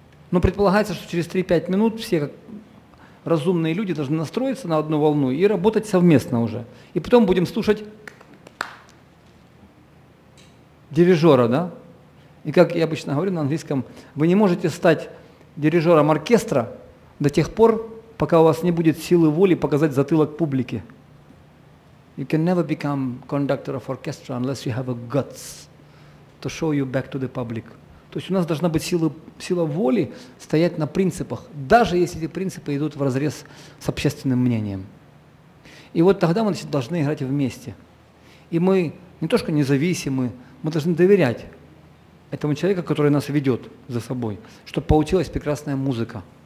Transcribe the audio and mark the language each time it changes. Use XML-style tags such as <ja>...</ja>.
<ru>Но предполагается, что через 3-5 минут все разумные люди должны настроиться на одну волну и работать совместно уже. И потом будем слушать дирижера, да? И как я обычно говорю на английском, вы не можете стать дирижером оркестра до тех пор, пока у вас не будет силы воли показать затылок публике.</ru> <en>You can never become conductor of orchestra unless you have a guts to show you back to the public.</en> <ru>То есть у нас должна быть сила воли стоять на принципах, даже если эти принципы идут вразрез с общественным мнением. И вот тогда мы должны играть вместе. И мы не то что независимы, мы должны доверять этому человеку, который нас ведет за собой, чтобы получилась прекрасная музыка.</ru>